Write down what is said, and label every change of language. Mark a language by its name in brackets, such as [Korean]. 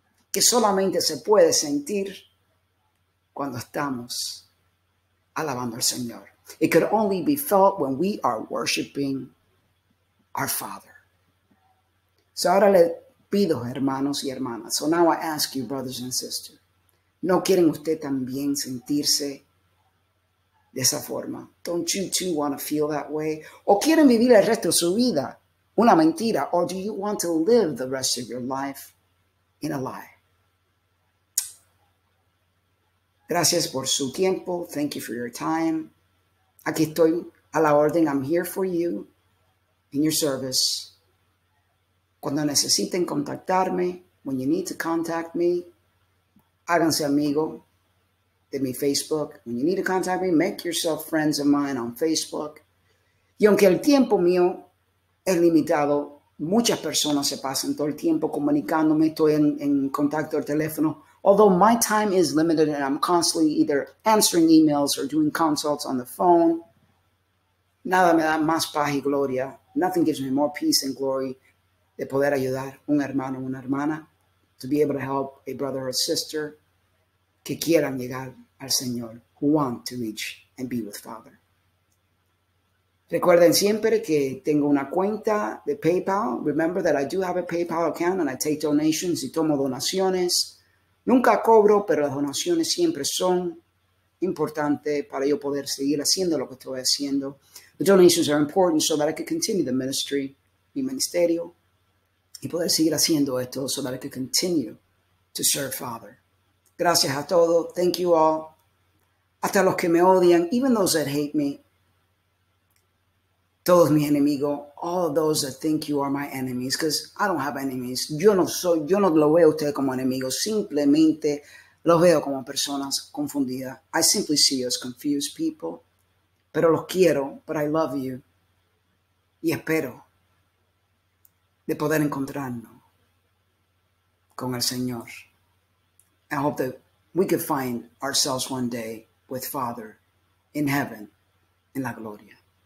[Spanish] que solamente se puede sentir cuando estamos alabando al Señor. [English] It could only be felt when we are worshiping our Father. [Spanish] So ahora le pido, hermanos y hermanas. [English] So now I ask you, brothers and sisters. [Spanish] ¿No quieren usted también sentirse de esa forma? [English] Don't you too want to feel that way? [Spanish] ¿O quieren vivir el resto de su vida una mentira? [English] Or do you want to live the rest of your life in a lie? [Spanish] Gracias por su tiempo. [English] Thank you for your time. [Spanish] Aquí estoy a la orden. [English] I'm here for you in your service. [Spanish] Cuando necesiten contactarme, [English] when you need to contact me, [Spanish] háganse amigo de mi Facebook. [English] When you need to contact me, make yourself friends of mine on Facebook. [Spanish] Y aunque el tiempo mío es limitado, muchas personas se pasan todo el tiempo comunicándome, estoy en contacto al teléfono. [English] Although my time is limited and I'm constantly either answering emails or doing consults on the phone, [Spanish] nada me da más paz y gloria. [English] Nothing gives me more peace and glory [Spanish] de poder ayudar un hermano o una hermana, [English] to be able to help a brother or sister [Spanish] que quieran llegar al Señor, [English] who want to reach and be with Father. [Spanish] Recuerden siempre que tengo una cuenta de PayPal. [English] Remember that I do have a PayPal account and I take donations [Spanish] y tomo donaciones. Nunca cobro, pero las donaciones siempre son importantes para yo poder seguir haciendo lo que estoy haciendo. [English] The donations are important so that I can continue the ministry, [Spanish] mi ministerio, y poder seguir haciendo esto [English] so that I can continue to serve Father. [Spanish] Gracias a todos. [English] Thank you all. [Spanish] Hasta los que me odian, [English] even those that hate me. [Spanish] Todos mis enemigos, [English] all of those that think you are my enemies, because I don't have enemies. [Spanish] Yo no lo veo a usted como enemigo. Simplemente los veo como personas confundidas. [English] I simply see you as confused people. [Spanish] Pero los quiero, [English] but I love you. [Spanish] Y espero de poder encontrarnos con el Señor. [English] I hope that we could find ourselves one day with Father in heaven, in la gloria.